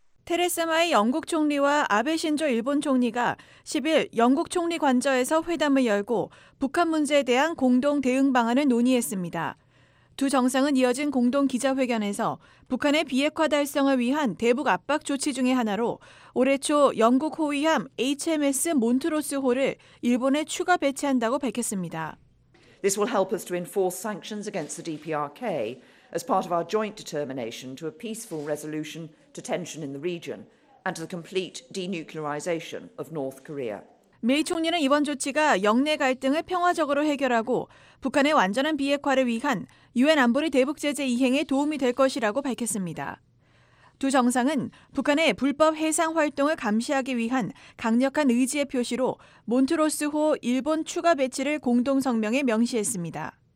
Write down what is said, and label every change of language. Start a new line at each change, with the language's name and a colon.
Korean: 테레사 마이 영국 총리와 아베 신조 일본 총리가 10일 영국 총리 관저에서 회담을 열고 북한 문제에 대한 공동 대응 방안을 논의했습니다. 두 정상은 이어진 공동 기자회견에서 북한의 비핵화 달성을 위한 대북 압박 조치 중의 하나로 올해 초 영국 호위함 HMS 몬트로스호를 일본에 추가 배치한다고 밝혔습니다.
English: This will help us to enforce sanctions against the DPRK as part of our joint determination to a peaceful resolution to tension in the region and to the complete denuclearization of North Korea.
Korean: 메이 총리는 이번 조치가 영내 갈등을 평화적으로 해결하고 북한의 완전한 비핵화를 위한 유엔 안보리 대북 제재 이행에 도움이 될 것이라고 밝혔습니다. 두 정상은 북한의 불법 해상 활동을 감시하기 위한 강력한 의지의 표시로 몬트로스호 일본 추가 배치를 공동 성명에 명시했습니다.